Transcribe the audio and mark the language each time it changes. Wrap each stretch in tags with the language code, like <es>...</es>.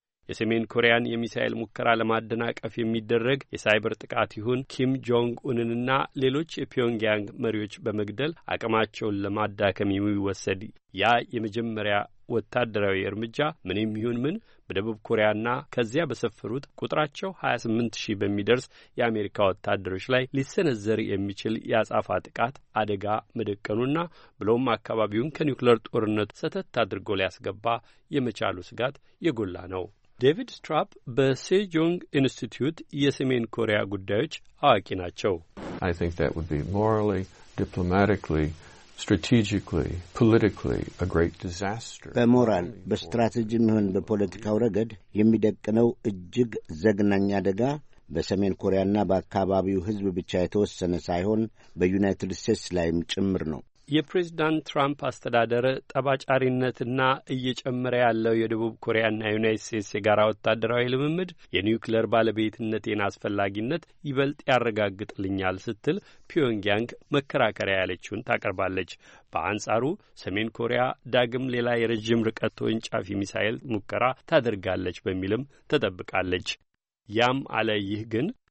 <am>የሰሜን ኮሪያን የሚሳኤል ሙከራ ለማደናቀፍ የሚደረግ የሳይበር ጥቃት ይሁን ኪም ጆንግ ኡንንና ሌሎች የፒዮንግያንግ መሪዎች በመግደል አቅማቸውን ለማዳከም የሚወሰድ ያ የመጀመሪያ ወታደራዊ እርምጃ ምንም ይሁን ምን በደቡብ ኮሪያና ከዚያ በሰፈሩት ቁጥራቸው 28,000 በሚደርስ የአሜሪካ ወታደሮች ላይ ሊሰነዘር የሚችል የአጻፋ ጥቃት አደጋ መደቀኑና ብሎም አካባቢውን ከኒውክሌር ጦርነት ሰተት አድርጎ ሊያስገባ የመቻሉ ስጋት የጎላ ነው። ዴቪድ ስትራፕ በሴጆንግ ኢንስቲትዩት የሰሜን ኮሪያ ጉዳዮች አዋቂ ናቸው።</am> <en>I think that would be morally, diplomatically, strategically, politically, a great disaster.</en> <am>በሞራል በስትራቴጂም ሆነ በፖለቲካው ረገድ የሚደቀነው እጅግ ዘግናኝ አደጋ በሰሜን ኮሪያና በአካባቢው ሕዝብ ብቻ የተወሰነ ሳይሆን በዩናይትድ ስቴትስ ላይም ጭምር ነው። የፕሬዝዳንት ትራምፕ አስተዳደር ጠባጫሪነትና እየጨመረ ያለው የደቡብ ኮሪያና ዩናይትድ ስቴትስ የጋራ ወታደራዊ ልምምድ የኒውክሌር ባለቤትነትን አስፈላጊነት ይበልጥ ያረጋግጥልኛል ስትል ፒዮንግያንግ መከራከሪያ ያለችውን ታቀርባለች። በአንጻሩ ሰሜን ኮሪያ ዳግም ሌላ የረጅም ርቀት ተወንጫፊ ሚሳይል ሙከራ ታደርጋለች በሚልም ተጠብቃለች። ያም አለ ይህ ግን</am>